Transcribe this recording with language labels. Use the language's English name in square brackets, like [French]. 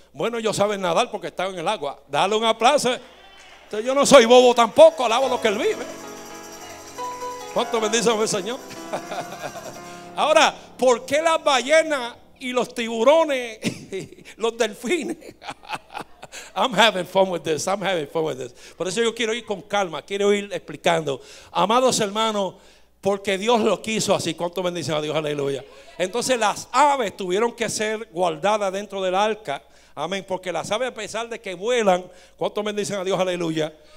[Spanish] Bueno, ellos saben nadar porque están en el agua. Dale un aplauso. Entonces, yo no soy bobo tampoco, alabo lo que él vive. ¿Cuánto bendice el Señor? Ahora, ¿por qué las ballenas y los tiburones, los delfines? [English] I'm having fun with this, I'm having fun with this. [Spanish] Por eso yo quiero ir con calma, quiero ir explicando. Amados hermanos, porque Dios lo quiso así. ¿Cuánto bendición a Dios? Aleluya. Entonces las aves tuvieron que ser guardadas dentro del arca. Amén. Porque las aves, a pesar de que vuelan, ¿cuánto bendición a Dios? Aleluya.